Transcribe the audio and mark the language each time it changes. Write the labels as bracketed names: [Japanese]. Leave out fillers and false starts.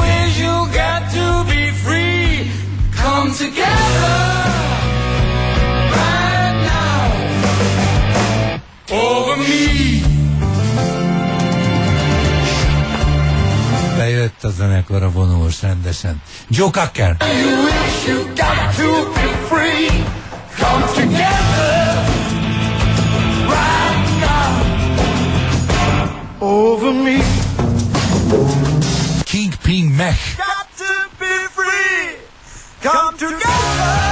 [English] When you got to be free, come together, right now, over me. [Hungarian] Bejött a zenekar a vonós rendesen. [English] Joe Cocker. You wish you got to be free. Come together. Right now. Over me. King Ping Mech. Got to be free. Come together.